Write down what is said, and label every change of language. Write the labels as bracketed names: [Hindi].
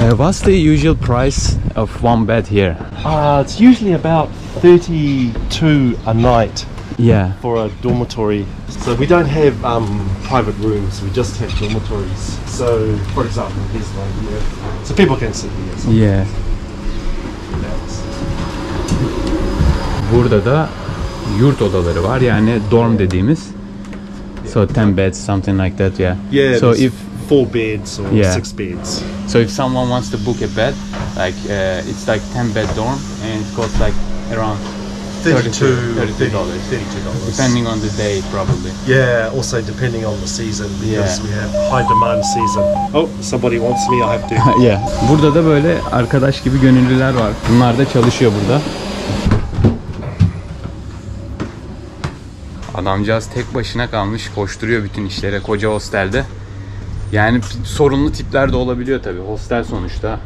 [English] What's the usual price of one bed here? It's usually about 32 a night. Yeah. For a dormitory. So we don't have private rooms, we just have dormitories. So for example, here's one here. So people can sit here. Yeah. [Turkish] Burada da yurt odaları var, yani dorm dediğimiz. [English] So 10 beds, something like that, yeah. Yeah, so if 4 beds or 6 beds. So if someone wants to book a bed, like it's like 10 bed dorm and it costs like around $32. Depending on the day, probably. Yeah, also depending on the season because we have high demand season. Oh, somebody wants me, I have to. Yeah. [Turkish] Burada da böyle arkadaş gibi gönüllüler var. Bunlar da çalışıyor burada. Adamcağız tek başına kalmış, koşturuyor bütün işlere koca hostelde. Yani sorunlu tipler de olabiliyor tabi, hostel sonuçta.